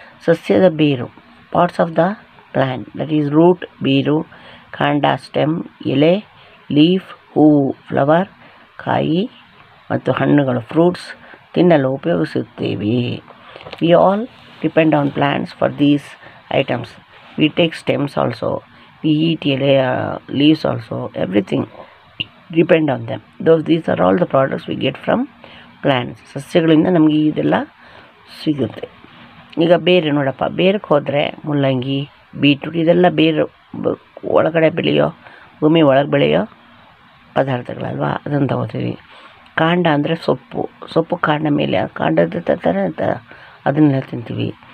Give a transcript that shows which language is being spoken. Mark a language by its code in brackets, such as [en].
[kn] ಸಸ್ಯದ ಬೇರು, [en] parts of the plant, that is root, [kn] ಬೇರು, ಕಾಂಡ, ಸ್ಟೆಮ್, ಎಲೆ, ಲೀಫ್, ಹೂವು, ಫ್ಲವರ್, ಕಾಯಿ ಮತ್ತು ಹಣ್ಣುಗಳು, ಫ್ರೂಟ್ಸ್ ತಿನ್ನಲು ಉಪಯೋಗಿಸುತ್ತೇವೆ. [en] We all depend on plants for these items. We take stems also, we eat leaves also, everything depend on them. Those these are all the products we get from plants. [kn] ಸಸ್ಯಗಳಿಂದ ನಮಗೆ ಇದೆಲ್ಲ ಸಿಗುತ್ತೆ. ಈಗ ಬೇರೆ ನೋಡಪ್ಪ, ಬೇರಕ್ಕೆ ಹೋದರೆ ಮೂಲಂಗಿ, ಬೀಟ್ರೂಟ್ ಇದೆಲ್ಲ ಬೇರು ಒಳಗಡೆ ಬೆಳೆಯೋ, ಭೂಮಿ ಒಳಗೆ ಬೆಳೆಯೋ ಪದಾರ್ಥಗಳಲ್ವಾ, ಅದನ್ನು ತಗೋತೀವಿ. ಕಾಂಡ ಅಂದರೆ ಸೊಪ್ಪು ಕಾಂಡ ಮೇಲೆ ಕಾಂಡದ ಥರ ಅದನ್ನೆಲ್ಲ ತಿಂತೀವಿ.